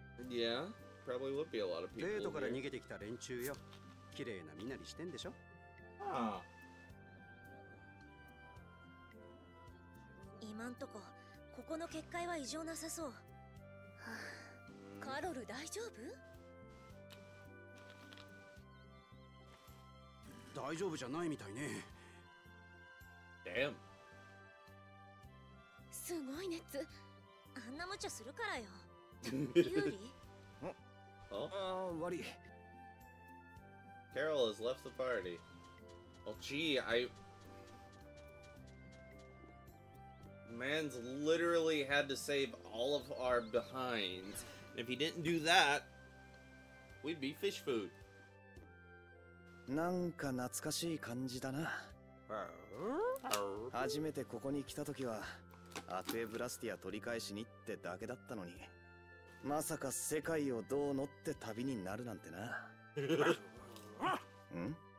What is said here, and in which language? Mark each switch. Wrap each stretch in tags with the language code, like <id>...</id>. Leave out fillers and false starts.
<en>Yeah, probably would be a lot of people.</en> <ja>デートから逃げてきた連中よ。綺麗な身なりしてんでしょ。ああ。今んとこここの結界は異常なさそう。カロル大丈夫？大丈夫じゃないみたいね。</ja> <en>Damn.</en> <ja>すごい熱。あんな無茶するからよ。ユーリ？ん？あ、悪い。</ja> <en>Carol has left the party. Oh, gee, I... Man's literally had to save all of our behinds. If he didn't do that, we'd be fish food.</en> <ja>なんか懐かしい感じだな。初めてここに来た時は、アテブラスティア取り返しにってだけだったのに、まさか世界をどう乗って旅になるなんてな。ん？</ja>